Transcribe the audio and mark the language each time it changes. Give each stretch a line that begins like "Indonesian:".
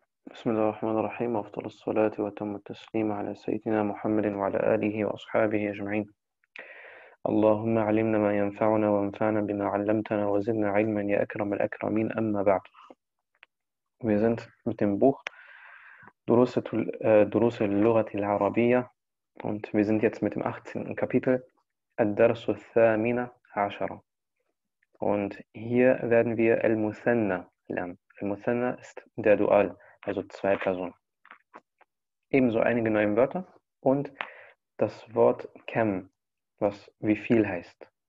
Arabic: بسم الله الرحمن الرحيم، أفضل الصلاة وأتم التسليم على سيدنا محمد وعلى آله وأصحابه أجمعين. اللهم علمنا ما ينفعنا وانفعنا بما علمتنا وزدنا علما يا أكرم الأكرمين. أما بعد،
German: Wir sind mit dem Buch دروس اللغة العربية، und wir sind jetzt mit dem 18.
Arabic: Kapitel الدرس الثامن عشر.
German: Und hier werden wir المثنى lernen. المثنى ist der Dual. Also zwei Personen. Ebenso einige neue Wörter und das Wort Kem, was wie viel heißt.